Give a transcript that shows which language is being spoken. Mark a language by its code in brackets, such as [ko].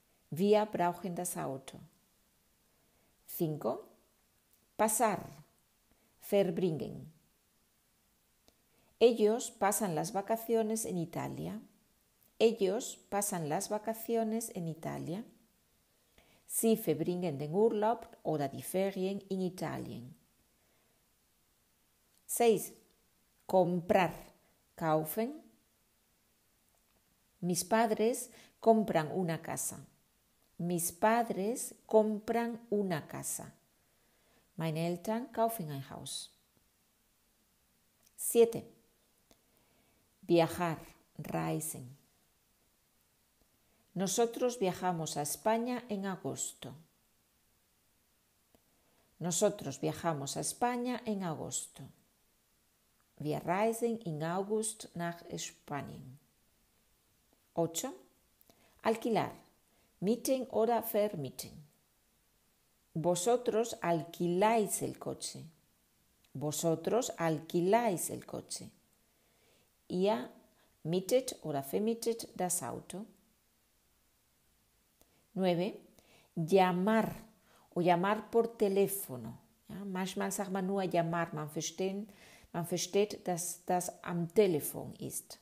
[de] Wir brauchen das Auto. 5. [es] Pasar, verbringen. Ellos pasan las vacaciones en Italia. Ellos pasan las vacaciones en Italia. [de] Sie verbringen den Urlaub oder die Ferien in Italien. [es] 6. Comprar, kaufen. Mis padres compran una casa. Mis padres compran una casa. [de] Meine Eltern kaufen ein Haus. [es] 7. Viajar, reisen. Nosotros viajamos a España en agosto. Nosotros viajamos a España en agosto. [de] Wir reisen in August nach Spanien. 8. Alquilar. Mieten oder vermieten. [es] Vosotros alquiláis el coche. Vosotros alquiláis el coche. [de] Ihr mietet oder vermietet das Auto. 9. Llamar [es] o llamar por teléfono. [de] Ja, manchmal sagt man nur llamar, man versteht, dass das am Telefon ist.